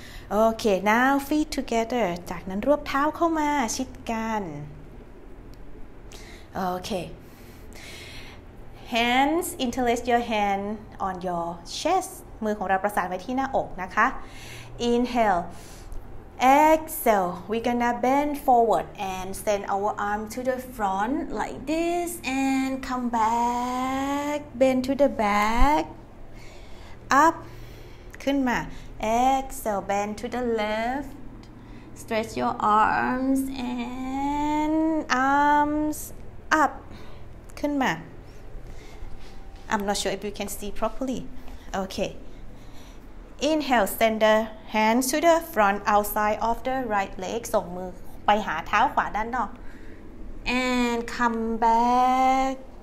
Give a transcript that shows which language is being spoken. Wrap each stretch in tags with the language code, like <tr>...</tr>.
<en>Okay, now feet together.</en> <th>จากนั้นรวบเท้าเข้ามาชิดกัน</th> <en>Okay. Hands, interlace your hand on your chest.</en> <th>มือของเราประสานไว้ที่หน้าอกนะคะ</th> <en>Inhale. Exhale. We're gonna bend forward and send our arm to the front like this and come back. Bend to the back. Up.</en> <th>ขึ้นมา.</th> <en>Exhale. Bend to the left. Stretch your arms and arms up.</en> <th>ขึ้นมา</th> <en>I'm not sure if you can see properly. Okay. Inhale, send the hands to the front outside of the right leg.</en> <th>ส่งมือไปหาเท้าขวาด้านนอก</th> <en>And come back.</en>